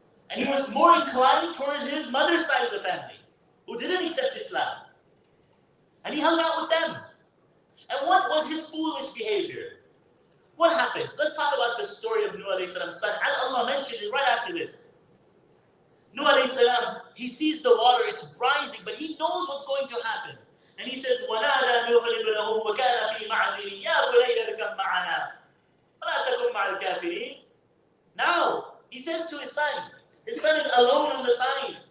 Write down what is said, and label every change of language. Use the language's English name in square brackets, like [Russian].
[English] And he was more inclined towards his mother's side of the family, who didn't accept Islam. And he hung out with them. And what was his foolish behavior? What happens? Let's talk about the story of Nuh alayhi salam's son. And Allah mentioned it right after this. Nuh alayhi salam, he sees the water, it's rising, but he knows what's going to happen. And he says, [Arabic] وَنَادَى نُوحٌ ابْنَهُ وَكَانَ فِي مَعْزِلٍ يَا بُنَيَّ ارْكَبْ مَعَنَا وَلَا تَكُن مَعَ الْكَافِرِينَ. [English] Now, he says to his son is alone on the side.